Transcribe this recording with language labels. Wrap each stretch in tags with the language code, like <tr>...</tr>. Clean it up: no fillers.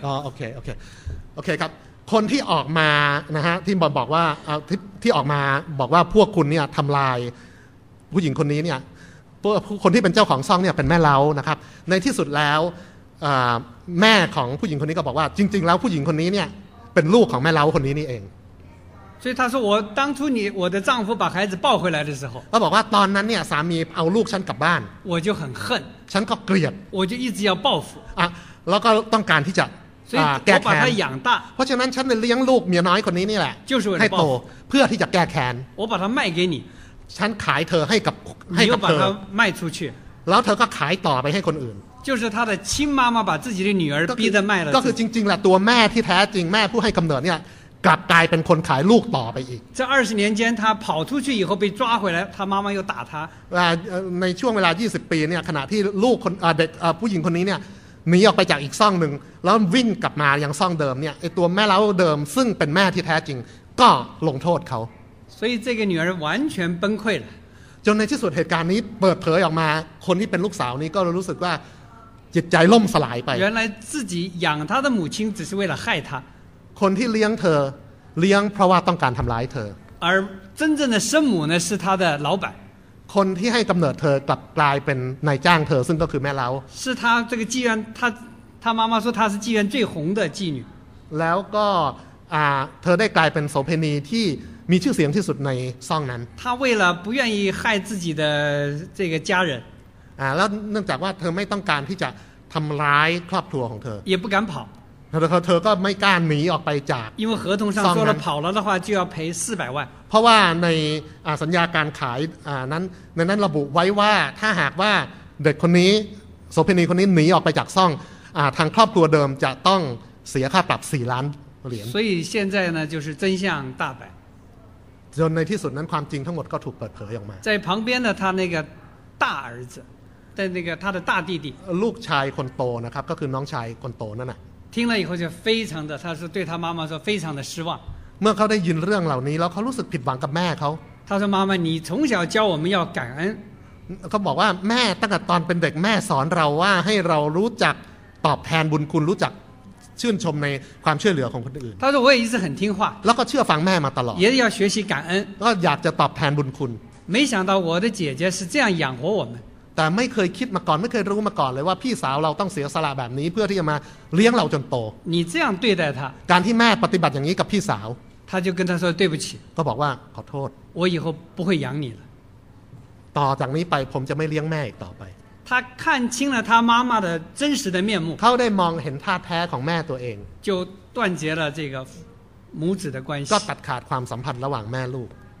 <th>OK ครับคนที่ออกมานะฮะที่บอกว่าที่ออกมาบอกว่าพวกคุณเนี่ยทำลายผู้หญิงคนนี้เนี่ยตัวคนที่เป็นเจ้าของซ่องเนี่ยเป็นแม่เล้านะครับในที่สุดแล้วแม่ของผู้หญิงคนนี้ก็บอกว่าจริงๆแล้วผู้หญิงคนนี้เนี่ยเป็นลูกของแม่เล้าคนนี้นี่เอง</th> <zh>所以他说我当初你我的丈夫把孩子抱回来的时候</zh> <th>ก็บอกว่าตอนนั้นเนี่ยสามีเอาลูกฉันกลับบ้าน</th> <zh>我就很恨</zh> <th>ฉันก็เกลียด</th> <zh>我就一直要报复</zh> <th>อ่ะแล้วก็ต้องการที่จะ แก้แค้นเพรา ะฉะนั้นฉันเลี้ยงลูกเมียน้อยคนนี้นี่แหละให้โตเพื่อที่จะแก้แค้น</th> <zh>我把它卖给你</zh> <th>ฉันขายเธอให้กับเธอ</th> <zh>卖出去</zh> <th>แล้วเธอก็ขายต่อไปให้คนอื่น</th> <zh>就是他的亲妈妈把自己的女儿逼着卖了</zh> <th>ก็คือจริงๆแหละตัวแม่ที่แท้จริงแม่ผู้ให้กำเนิดเนี่ยกลับกลายเป็นคนขายลูกต่อไปอีก</th> <zh>这二十年间他跑出去以后被抓回来他妈妈又打他</zh> <th>ในช่วงเวลา20ปีเนี่ยขณะที่ลูกคนเด็กผู้หญิงคนนี้เนี่ยหนีออกไปจากอีกซ่องหนึ่งแล้ววิ่งกลับมายังซ่องเดิมเนี่ยไอ้ตัวแม่เล้าเดิมซึ่งเป็นแม่ที่แท้จริงก็ลงโทษเขา</th> <zh>所以这个女儿完全崩溃了</zh> <th>จนในที่สุดเหตุการณ์นี้เปิดเผยออกมาคนที่เป็นลูกสาวนี้ก็รู้สึกว่าจิตใจล่มสลายไป</th> <zh>原来自己养她的母亲只是为了害她</zh> <th>คนที่เลี้ยงเธอเลี้ยงเพราะว่าต้องการทำร้ายเธอ</th> <zh>而真正的生母呢是她的老板</zh> <th>คนที่ให้กำเนิดเธอกลับกลายเป็นนายจ้างเธอซึ่งก็คือแม่เล้า</th> <zh>是他这个妓院他妈妈说他是妓院最红的妓女</zh> <th>แล้วก็เธอได้กลายเป็นโสเภณีที่มีชื่อเสียงที่สุดในซ่องนั้น</th> <zh>他为了不愿意害自己的这个家人</zh> <th>แล้วเนื่องจากว่าเธอไม่ต้องการที่จะทำร้ายครอบครัวของเธอ</th> <zh>也不敢跑</zh> <th>เธอก็ไม่กล้าหนีออกไปจาก</th> <zh>因为合同上说了跑了的话就要赔400万</zh> <th>เพราะว่าในสัญญาการขายนั้นในนั้นระบุไว้ว่าถ้าหากว่าเด็กคนนี้โสเภณีคนนี้หนีออกไปจากซ่องทางครอบครัวเดิมจะต้องเสียค่าปรับ4ล้านเหรียญ</th> <zh>所以现在呢就是真相大白</zh> <th>จนในที่สุดนั้นความจริงทั้งหมดก็ถูกเปิดเผยออกมา</th> <zh>在旁边的他那个大儿子的那个他的大弟弟</zh> <th>ลูกชายคนโตนะครับก็คือน้องชายคนโตนั่นน่ะ</th> <zh>听了以后就非常的，他说对他妈妈说非常的失望。</zh> <th>เมื่อเขาได้ยินเรื่องเหล่านี้แล้วเขารู้สึกผิดหวังกับแม่เขา。</th> <zh>他说妈妈，你从小教我们要感恩。</zh> <th>เขาบอกว่าแม่ตั้งแต่ตอนเป็นเด็กแม่สอนเราว่าให้เรารู้จักตอบแทนบุญคุณรู้จักชื่นชมในความช่วยเหลือของคนอื่น。</th> <zh>他说我也一直很听话。</zh> <th>แล้วก็เชื่อฟังแม่มาตลอด。</th> <zh>也要学习感恩。</zh> <th>ก็อยากจะตอบแทนบุญคุณ。</th> <zh>没想到我的姐姐是这样养活我们。</zh> <th>แต่ไม่เคยคิดมาก่อนไม่เคยรู้มาก่อนเลยว่าพี่สาวเราต้องเสียสละแบบนี้เพื่อที่จะมาเลี้ยงเราจนโต</th> <zh>你这样对待他</zh> <th>การที่แม่ปฏิบัติอย่างนี้กับพี่สาว</th> <zh>他就跟他说对不起</zh> <th>ก็บอกว่าขอโทษ</th> <zh>我以后不会养你了</zh> <th>ต่อจากนี้ไปผมจะไม่เลี้ยงแม่อีกต่อไป</th> <zh>他看清了他妈妈的真实的面目</zh> <th>เขาได้มองเห็นท่าแท้ของแม่ตัวเอง</th> <zh>就断绝了这个母子的关系</zh> <th>ก็ตัดขาดความสัมพันธ์ระหว่างแม่ลูก</th>